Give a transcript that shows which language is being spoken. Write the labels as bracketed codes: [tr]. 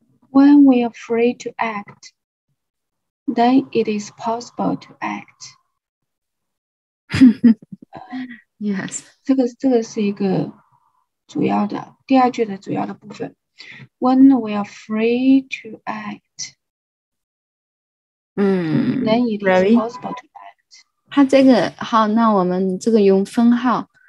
[en] When we are free to act, then it is possible to act. Yes. [zh] 这个是一个主要的，第二句的主要的部分。 [en] When we are free to act, then it is possible to act. [zh] 它这个，好，那我们这个用分号。